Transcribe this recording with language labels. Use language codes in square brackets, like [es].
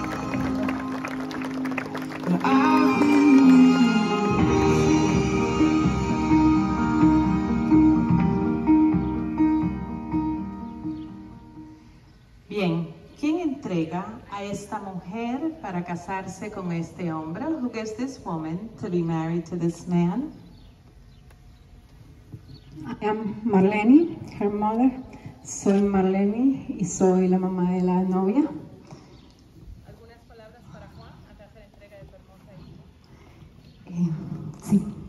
[es] como bien, ¿quién entrega a esta mujer para casarse con este hombre? [en] Who gives this woman to be married to this man? I am Marlene, her mother. [es] Soy Marlene y soy la mamá de la novia. ¿Algunas palabras para Juan acá se entrega de su hermosa hija? Sí.